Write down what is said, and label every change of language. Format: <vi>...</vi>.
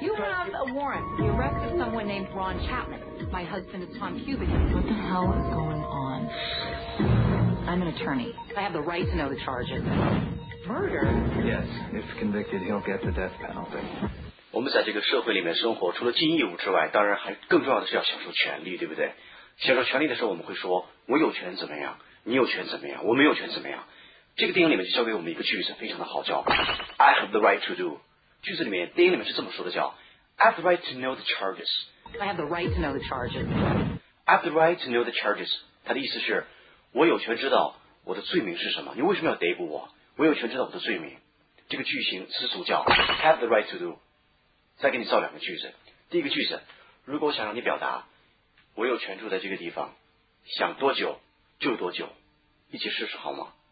<en>You have a warrant for the arrest of someone named named Ron Chapman. My husband is Tom Cuban. What the hell is going on? I'm an attorney. I have the right to know the charges. Murder? Yes. If convicted, he'll get the death penalty.</en> <zh>我们在这个社会里面生活，除了尽义务之外，当然还更重要的是要享受权利，对不对？享受权利的时候，我们会说，我有权怎么样，你有权怎么样，我没有权怎么样。这个电影里面就教给我们一个句子，非常的好，叫</zh> <en>I have the right to do。</en> <zh>句子里面，电影里面是这么说的，叫</zh> <en>I have the right to know the charges。 I have the right to know the charges。 I have the right to know the charges。</en> <zh>它的意思是，我有权知道我的罪名是什么，你为什么要逮捕我，我有权知道我的罪名。这个句型词组叫</zh> <en>I have the right to do。</en> <zh>再给你造两个句子。第一个句子，如果我想让你表达我有权住在这个地方，想多久就多久，一起试试好吗？</zh>